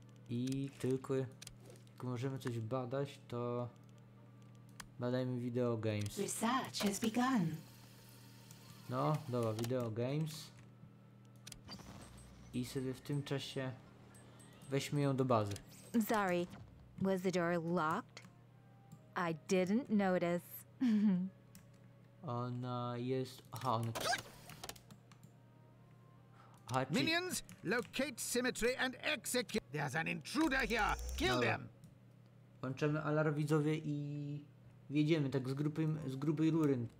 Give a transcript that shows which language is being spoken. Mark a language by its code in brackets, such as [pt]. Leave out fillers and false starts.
[pl] I tylko, jak możemy coś badać, to badajmy video games. [en] Research has begun. [pl] No, dobra, video games. I sobie w tym czasie weźmy ją do bazy. [en] Sorry, was the door locked? I didn't notice. [pl] Ona jest... Aha, ona... Aha, czy... [en] Minions, locate symmetry and execute... There's an intruder here! Kill them! [pl] Włączamy alarm, widzowie, i... Wjedziemy tak z grubej rury.